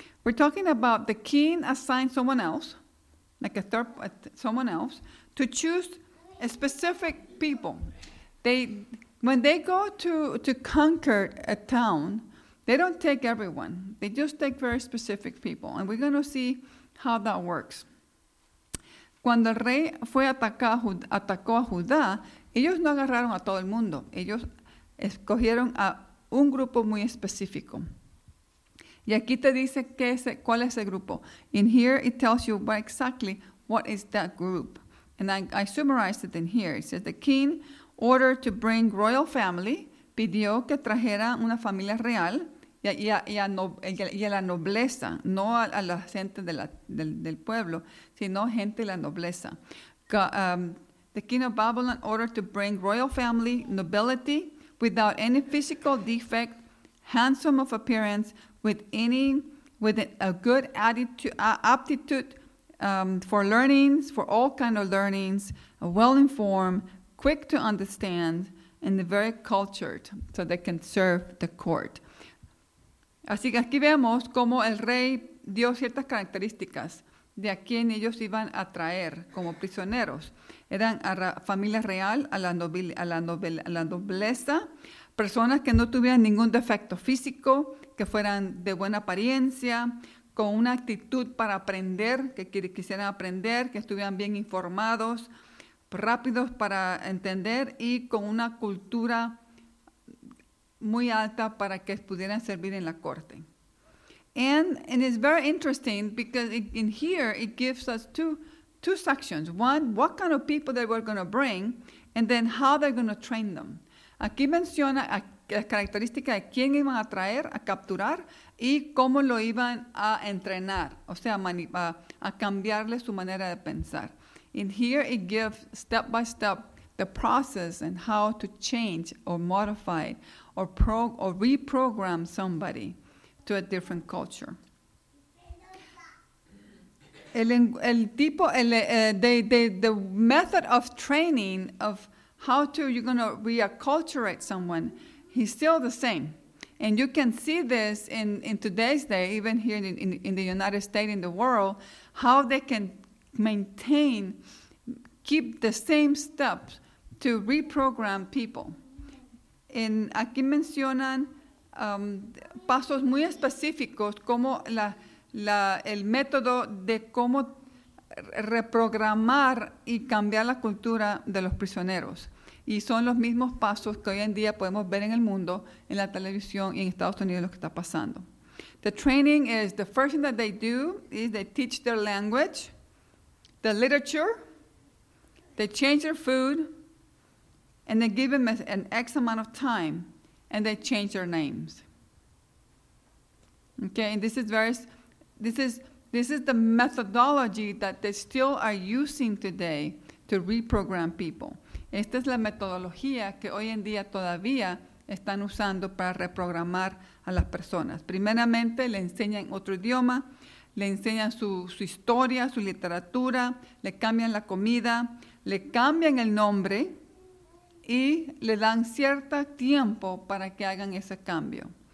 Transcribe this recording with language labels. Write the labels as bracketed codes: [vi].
[en] We're talking about the king assigned someone else, like someone else, to choose a specific people. When they go to conquer a town, they don't take everyone. They just take very specific people. And we're going to see how that works. [es] Cuando el rey fue atacó a Judá, ellos no agarraron a todo el mundo. Ellos escogieron a un grupo muy específico. Y aquí te dice cuál es el grupo. [en] In here it tells you what exactly what is that group. And I summarized it in here. It says the king ordered to bring royal family, [es] pidió que trajera una familia real y a la nobleza, no a la gente del pueblo, sino gente de la nobleza. [en] The king of Babylon ordered to bring royal family, nobility, without any physical defect, handsome of appearance, with a good aptitude for learnings, for all kind of learnings, well-informed, quick to understand, and very cultured, so they can serve the court. [es] Así que aquí vemos cómo el rey dio ciertas características de a quién ellos iban a traer como prisioneros. Eran a la familia real, a la nobleza, personas que no tuvieran ningún defecto físico, que fueran de buena apariencia, con una actitud para aprender, que quisieran aprender, que estuvieran bien informados, rápidos para entender y con una cultura muy alta para que pudieran servir en la corte. [en] And it's very interesting because in here it gives us two sections. One, what kind of people they were going to bring, and then how they're going to train them. [es] Aquí menciona las características de quién iban a traer, a capturar, y cómo lo iban a entrenar, o sea, a cambiarle su manera de pensar. [en] In here it gives step by step the process and how to change or modify or reprogram somebody to a different culture. The method of training of how to you're going to reacculturate someone, he's still the same. And you can see this in today's day, even here in the United States, in the world, how they can maintain, keep the same steps to reprogram people. [es] En aquí mencionan pasos muy específicos como el método de cómo reprogramar y cambiar la cultura de los prisioneros. Y son los mismos pasos que hoy en día podemos ver en el mundo, en la televisión y en Estados Unidos lo que está pasando. [en] The training is the first thing that they do is they teach their language, the literature, they change their food, and they give them an X amount of time, and they change their names. Okay, and this is the methodology that they still are using today to reprogram people. [es] Esta es la metodología que hoy en día todavía están usando para reprogramar a las personas. Primeramente, le enseñan otro idioma, le enseñan su historia, su literatura, le cambian la comida, le cambian el nombre, y le dan cierto tiempo para que hagan ese cambio.